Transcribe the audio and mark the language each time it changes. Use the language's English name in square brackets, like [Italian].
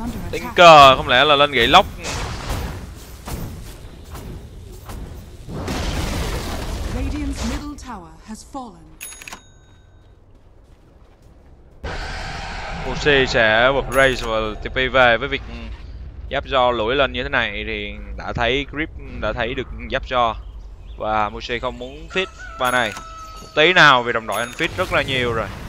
[Vietnamese] Tính cờ, không lẽ là lên gậy lóc. [English] Radiant's middle tower has fallen. [Vietnamese] OC sẽ vượt Raze và TP về với việc Giáp Giò lủi lên như thế này thì đã thấy Grip đã thấy được Giáp Giò và Mushi không muốn feed pha này một tí nào vì đồng đội anh feed rất là nhiều rồi.